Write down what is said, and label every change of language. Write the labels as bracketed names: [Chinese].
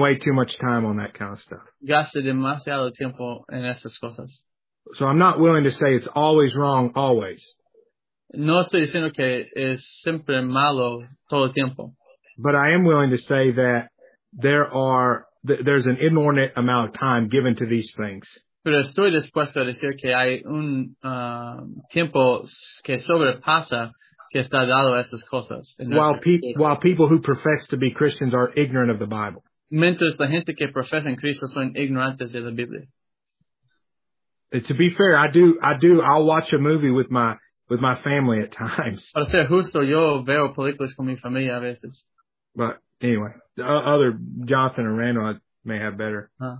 [English] way too much time on that kind of stuff. [Spanish] Gasta demasiado tiempo en esas cosas. [English] So I'm not willing to say it's always wrong, always. [Spanish] No estoy diciendo que es siempre malo todo el tiempo. [English] But I am willing to say that there's an inordinate amount of time given to these things. [Spanish] Pero estoy dispuesto a decir que hay un tiempo que sobrepasa que está dado a estas cosas. [English] While people who profess to be Christians are ignorant of the Bible. [Spanish] Mientras la gente que profesa en Cristo son ignorantes de la Biblia. [English] And to be fair, I do. I'll watch a movie with my family at times. [Spanish] Para ser justo, yo veo películas con mi familia a veces. [English] But anyway, the other Jonathan or Randall may have better.